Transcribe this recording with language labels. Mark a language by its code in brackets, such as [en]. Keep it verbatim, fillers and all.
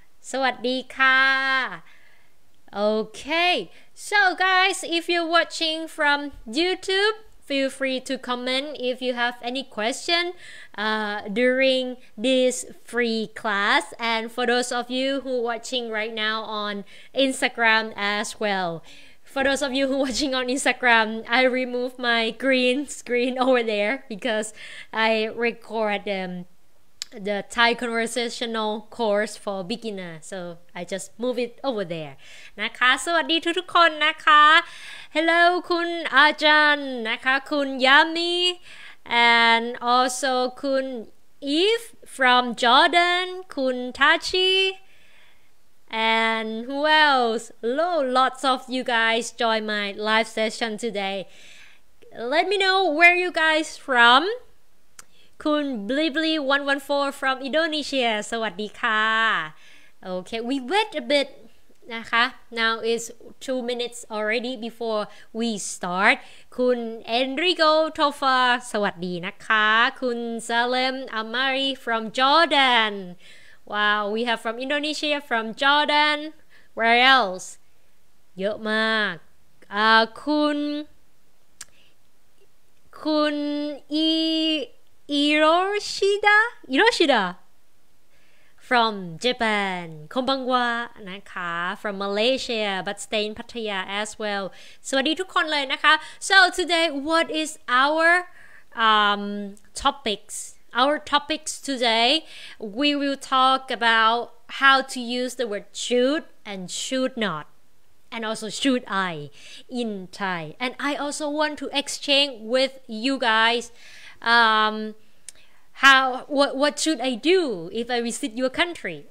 [th] สวัสดีค่ะ [en] Okay, so guys, if you're watching from YouTube, feel free to comment if you have any question uh, during this free class. And for those of you who are watching right now on Instagram as well, for those of you who are watching on Instagram, I remove my green screen over there because I record them. The Thai conversational course for beginner, so I just move it over there [th] นะคะ สวัสดีทุกทุกๆคนนะคะ [en] Hello [th] คุณอาจารย์นะคะ [en] คุณยามี and also คุณ Eve from Jordan, คุณ Tachi, and who else? Hello, lots of you guys join my live session today. Let me know where you guys from. คุณ blibli one one four from Indonesia [th] สวัสดีค่ะ [en] Okay, we wait a bit [th] นะคะ [en] now is two minutes already before we start คุณ Enrico Tofa [th] สวัสดีนะคะ [en] คุณ Salem Amari from Jordan. Wow, we have from Indonesia, from Jordan. Where else? [th] เยอะมากอ่าคุณ คุณอีอิโรชิดะอิโรชิดะ [en] from Japan [th] คงบังวานะคะ [en] from Malaysia but stay in Pattaya as well. [th] สวัสดีทุกคนเลยนะคะ [en] so today what is our um, topics? Our topics today, we will talk about how to use the word should and should not, and also should I in Thai. And I also want to exchange with you guys um, how what, what should I do if I visit your country?